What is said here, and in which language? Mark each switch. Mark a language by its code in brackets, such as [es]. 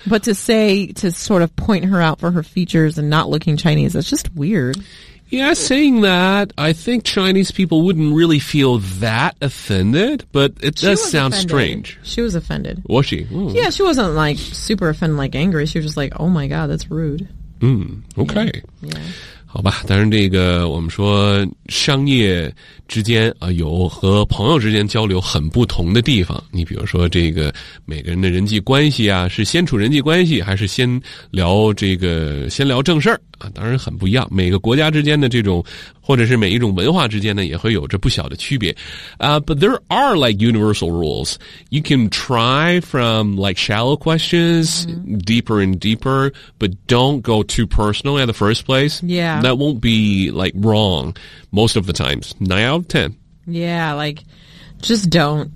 [en] But to say, to sort of point her out for her features and not looking Chinese, that's just weird. Yeah, saying that, I think Chinese people wouldn't really feel that offended, but it does sound strange. She was offended. Was she? Ooh. Yeah, she wasn't like super offended, like angry. She was just like, "Oh my God, that's rude." Okay. Yeah. [zh] 好吧，当然这个我们说商业之间啊，有和朋友之间交流很不同的地方。你比如说这个每个人的人际关系啊，是先处人际关系还是先聊正事儿啊？当然很不一样。每个国家之间的这种，或者是每一种文化之间呢，也会有着不小的区别。 [en] But there are like universal rules. You can try from like shallow questions, deeper and deeper, but don't go too personal at the first place. Yeah. That won't be like wrong most of the times. 9 out of 10. Yeah, like just don't.